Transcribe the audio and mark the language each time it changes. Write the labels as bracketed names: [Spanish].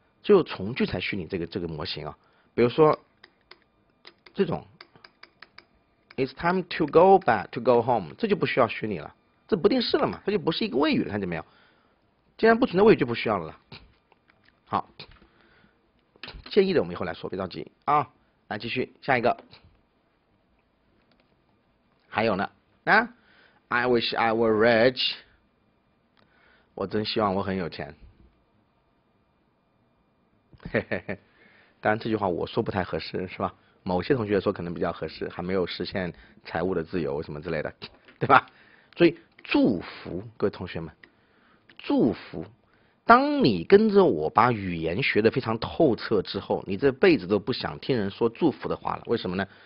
[Chinese] 就从聚财虚拟这个模型啊，比如说这种， [English] It's time to go back to go home， [Chinese] 这就不需要虚拟了，这不定式了嘛，它就不是一个谓语了，看见没有？既然不存在谓语，就不需要了。好，建议的我们以后来说，别着急啊。来继续下一个，还有呢？啊， [English] I wish I were rich， [Chinese] 我真希望我很有钱。嘿嘿嘿，当然这句话我说不太合适，是吧？某些同学说可能比较合适，还没有实现财务的自由什么之类的，对吧？所以祝福，各位同学们，祝福。当你跟着我把语言学得非常透彻之后，你这辈子都不想听人说祝福的话了。为什么呢？